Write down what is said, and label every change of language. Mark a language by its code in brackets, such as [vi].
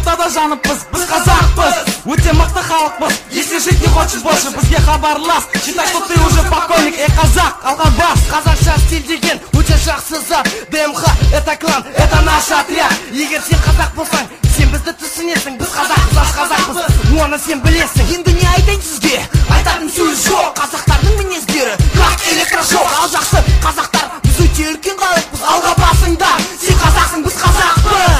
[kk] Жаныппыз, біз қазақпыз, өте мықты халықпыз. [ru] Если жить не хочешь больше, [kk] бізге хабарлас. [ru] Считай, что ты уже покойник. [kk] Эй, қазақ, алға бас. Қазақша стиль деген өте жақсы зат. [ru] ДМХ, это клан, это наш отряд. [kk] Егер сен қазақ болсаң, сен бізді түсінесің. Біз қазақпыз, аш қазақпыз, оны сен білесің. Енді не айтайын сізге, айтатын сөз жоқ. Қазақтардың мінездері, [ru] как электрошок. [kk] Ал жақсы, қазақтар, біз өте үлкен халықпыз. Алға басыңдар, сен қазақсың, біз қазақпыз.